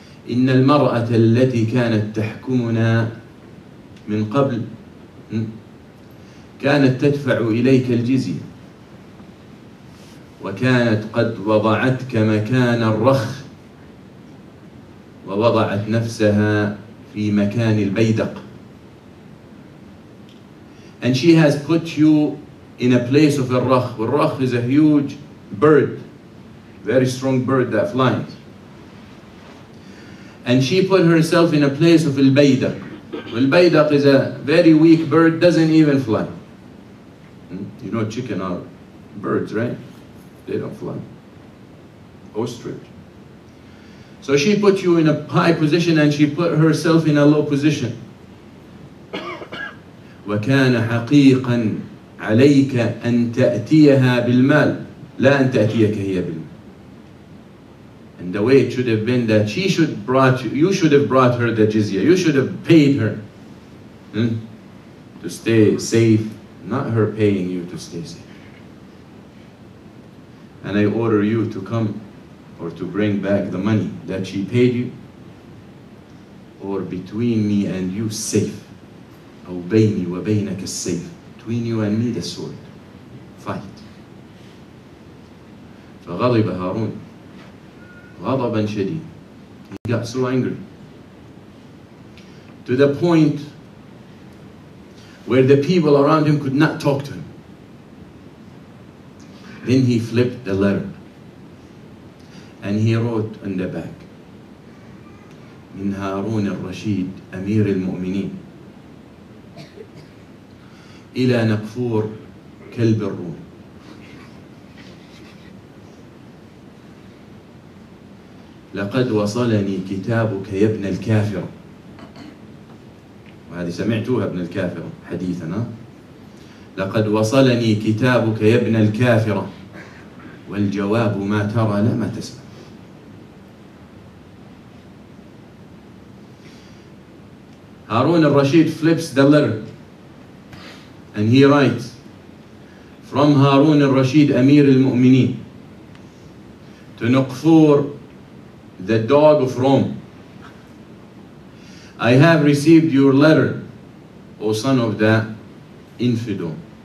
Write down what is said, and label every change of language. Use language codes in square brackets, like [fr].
[ar] إن المرأة التي كانت تحكمنا من قبل كانت تدفع إليك الجزية, وكانت قد وضعتك مكان الرخ ووضعت نفسها في مكان البيدق. [en] And she has put you in a place of الرخ. الرخ is a huge bird, very strong bird that flies. And she put herself in a place of البيدق. البيدق is a very weak bird, doesn't even fly. You know chicken are birds, right? They don't fly. Ostrich. So she put you in a high position and she put herself in a low position. [ar] وكان حقيقا عليك أن تأتيها بالمال لا أن تأتيك هي بالمال. [en] And the way it should have been that she should brought you, you should have brought her the jizya, you should have paid her to stay safe, not her paying you to stay safe. And I order you to come or to bring back the money that she paid you, or between me and you safe. [ar] أو بيني وبينك السيف, [en] between you and me the sword, fight. [ar] فغضب هارون غضبا شديدا. [en] He got so angry to the point where the people around him could not talk to him. Then he flipped the letter and he wrote on the back, [ar] من هارون الرشيد أمير المؤمنين إلى نقفور كلب الروم. لقد وصلني كتابك يا ابن الكافر. وهذه سمعتوها ابن الكافر حديثنا. لقد وصلني كتابك يا ابن الكافر والجواب ما ترى لا ما تسمع. [en] هارون الرشيد flips the letter and he writes, from هارون الرشيد أمير المؤمنين to نقفور the dog of Rome, I have received your letter, O son of the infidel.